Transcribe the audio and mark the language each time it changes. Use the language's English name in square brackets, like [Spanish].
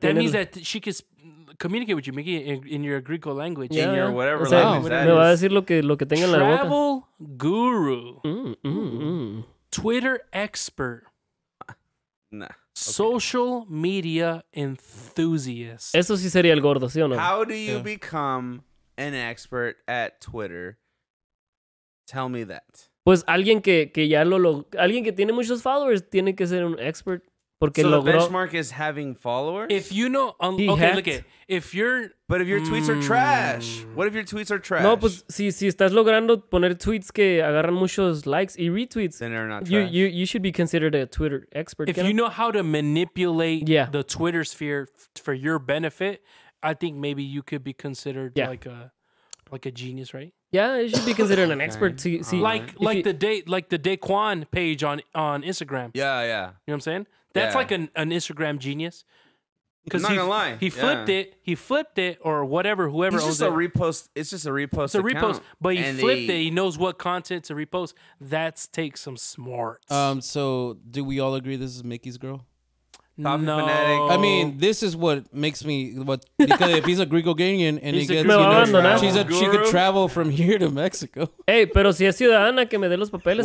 [English] That means that she can communicate with you, Mickey, in your Greek language. Yeah. In your whatever language. [Spanish] Me va a decir lo que tenga en la boca. [English] Travel guru. Mm-hmm. Twitter expert. Nah. Okay. Social media enthusiast. [Spanish] Eso sí sería el gordo, ¿sí o no? [English] How do you become an expert at Twitter? Tell me that. [Spanish] Pues alguien que ya lo alguien que tiene muchos followers tiene que ser un expert porque [English] so [Spanish] logró. [English] So the benchmark is having followers. If you know, look at if you're. But if your tweets are trash, what if your tweets are trash? [Spanish] No, pues si estás logrando poner tweets que agarran muchos likes y retweets, [English] then they're not trash. You should be considered a Twitter expert. If you know how to manipulate the Twitter sphere for your benefit, I think maybe you could be considered like a genius, right? Yeah, you should be considered an expert. Okay. The Daquan page on Instagram. Yeah, yeah. You know what I'm saying? That's like an Instagram genius. I'm not gonna lie. He flipped it. He flipped it or whatever, whoever owns it. It's just a repost. It's a repost. But he flipped it. He knows what content to repost. That takes some smarts. So do we all agree this is Mickey's girl? No. I mean, this is what makes me because if he's a Greco-Ganian and he gets she could travel from here to Mexico. [Spanish] Hey, pero si es ciudadana que me dé los papeles.